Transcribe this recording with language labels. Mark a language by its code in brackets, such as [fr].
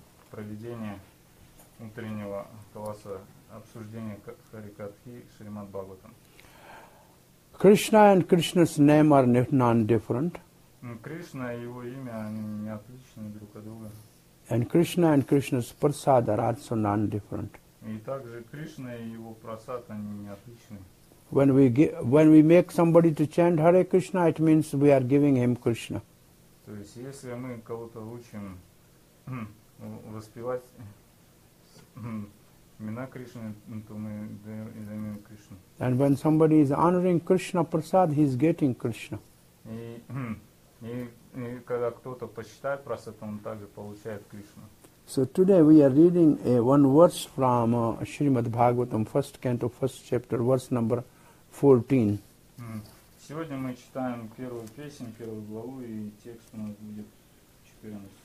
[ru] Проведение утреннего класса обсуждения Харикатхи Шримад Бхагаватам. [en] Krishna and Krishna's name are non-different. [ru] Кришна и его имя они не отличны друг от друга. [en] And Krishna and Krishna's prasad are also non-different. [ru] И также Кришна и его прасад они не отличны. [en] When we make somebody to chant Hare Krishna, it means we are giving him Krishna. [ru] То есть если мы кого-то учим воспевать имена Кришны, то мы даем имя Кришну. [en] And when somebody is honoring Krishna Prasad, he is getting Krishna. [ru] И когда кто-то почитает Прасад, он также получает Кришну. [en] So today we are reading one verse from Shrimad Bhagavatam, first canto, first chapter, verse number 14. [ru] Сегодня мы читаем первую песню, первую главу, и текст у нас будет 14.